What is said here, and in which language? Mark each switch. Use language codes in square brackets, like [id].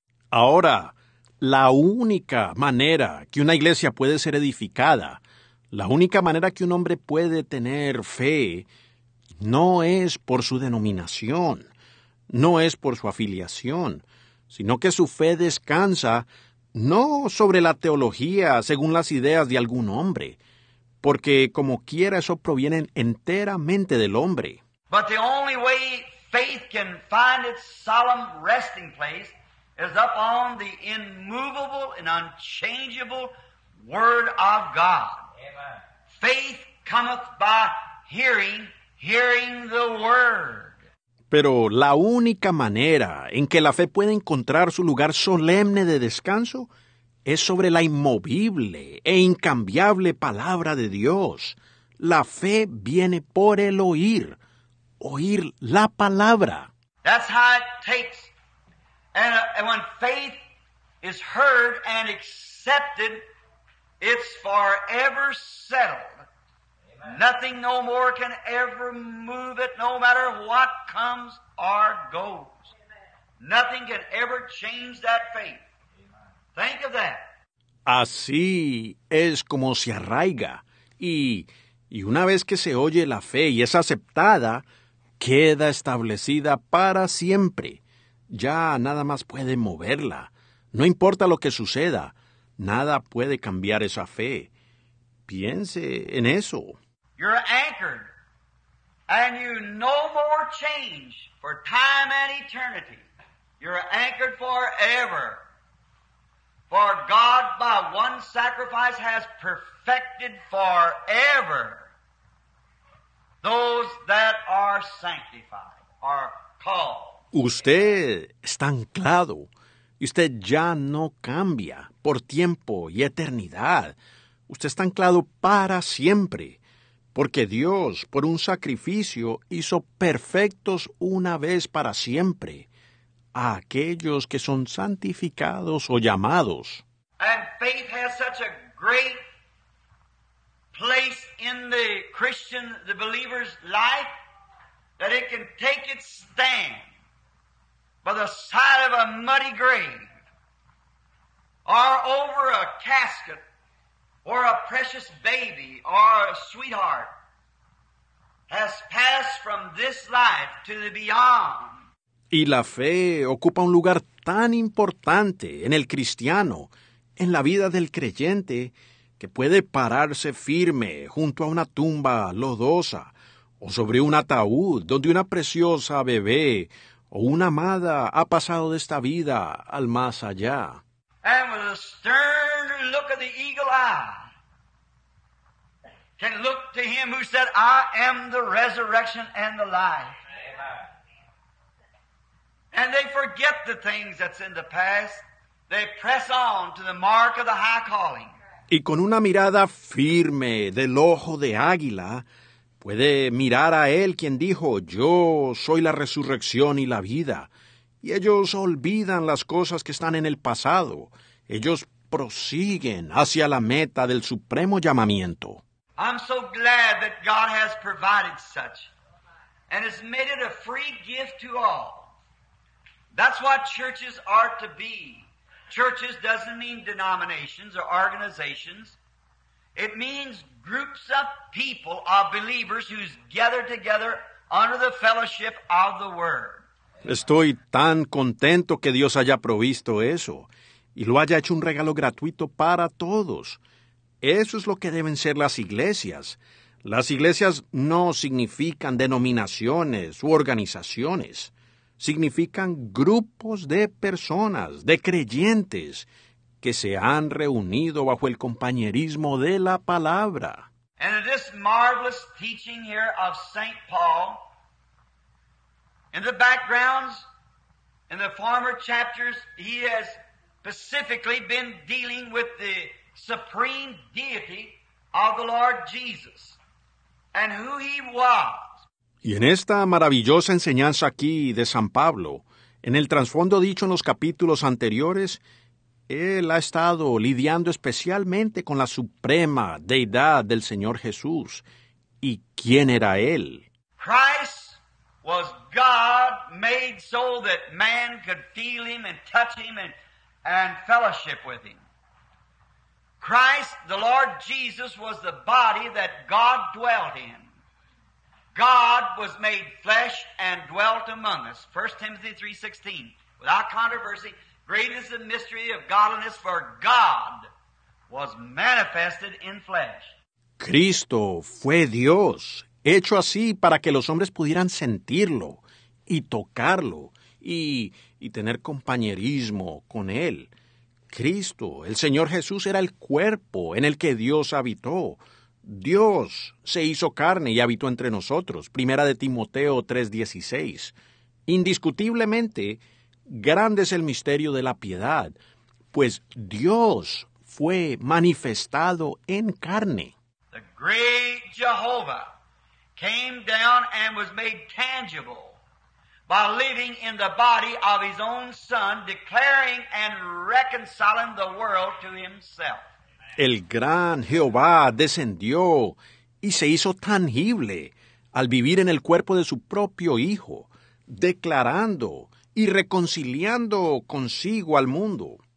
[es] Ahora, la única manera que una iglesia puede ser edificada, la única manera que un hombre puede tener fe, no es por su denominación, no es por su afiliación, sino que su fe descansa no sobre la teología según las ideas de algún hombre, porque como quiera eso proviene enteramente del hombre. [en] But the only way faith can find its solemn resting place is up on the immovable and unchangeable Word of God. Amen. Faith cometh by hearing, hearing the Word. [es] Pero la única manera en que la fe puede encontrar su lugar solemne de descanso es sobre la inmovible e incambiable palabra de Dios. La fe viene por el oír, oír la palabra. [en] That's how it takes. And when faith is heard and accepted, it's forever settled. Amen. Nothing no more can ever move it, no matter what comes or goes. Amen. Nothing can ever change that faith. Amen. Think of that. [es] Así es como se arraiga. Y una vez que se oye la fe y es aceptada, queda establecida para siempre. Ya nada más puede moverla. No importa lo que suceda, nada puede cambiar esa fe. Piense en eso. [en] You're anchored, and you no more change for time and eternity. You're anchored forever. For God, by one sacrifice, has perfected forever those that are sanctified, are called. [es] Usted está anclado y usted ya no cambia por tiempo y eternidad. Usted está anclado para siempre, porque Dios, por un sacrificio, hizo perfectos una vez para siempre a aquellos que son santificados o llamados. [en] And faith has such a great place in the Christian, the believer's life, that it can take its stand by the side of a muddy grave, or over a casket, or a precious baby, or a sweetheart, has passed from this life to the beyond. [es] Y la fe ocupa un lugar tan importante en el cristiano, en la vida del creyente, que puede pararse firme junto a una tumba lodosa, o sobre un ataúd donde una preciosa bebé o una amada ha pasado de esta vida al más allá. [en] And with a stern look of the eagle eye, can look to him who said, I am the resurrection and the life. Amen. And they forget the things that's in the past. They press on to the mark of the high calling. [es] Y con una mirada firme del ojo de águila, puede mirar a él quien dijo, yo soy la resurrección y la vida. Y ellos olvidan las cosas que están en el pasado. Ellos prosiguen hacia la meta del supremo llamamiento. [en] I'm so glad that God has provided such and has made it a free gift to all. That's what churches are to be. Churches doesn't mean denominations or organizations. It means groups of people, of believers, who's gathered together under the fellowship of the Word. [es] Estoy tan contento que Dios haya provisto eso y lo haya hecho un regalo gratuito para todos. Eso es lo que deben ser las iglesias. Las iglesias no significan denominaciones u organizaciones. Significan grupos de personas, de creyentes, que se han reunido bajo el compañerismo de la palabra. [en] And in this marvelous teaching here of St. Paul, in the backgrounds, in the former chapters, he has specifically been dealing with the supreme deity of the Lord Jesus and who he was. [es] Y en esta maravillosa enseñanza aquí de San Pablo, en el trasfondo dicho en los capítulos anteriores, él ha estado lidiando especialmente con la suprema deidad del Señor Jesús. ¿Y quién era él? [en] Christ was God made so that man could feel him and touch him and fellowship with him. Christ, the Lord Jesus, was the body that God dwelt in. God was made flesh and dwelt among us. 1 Timothy 3:16. Without controversy, great is the mystery of godliness, for God was manifested in flesh. [es] Cristo fue Dios, hecho así para que los hombres pudieran sentirlo y tocarlo y tener compañerismo con Él. Cristo, el Señor Jesús, era el cuerpo en el que Dios habitó. Dios se hizo carne y habitó entre nosotros. Primera de Timoteo 3:16. Indiscutiblemente, grande es el misterio de la piedad, pues Dios fue manifestado en carne. [en] The great Jehovah came down and was made tangible by living in the body of his own son, declaring and reconciling the world to himself. [es] El gran Jehová descendió y se hizo tangible al vivir en el cuerpo de su propio Hijo, declarando y reconciliando consigo al mundo.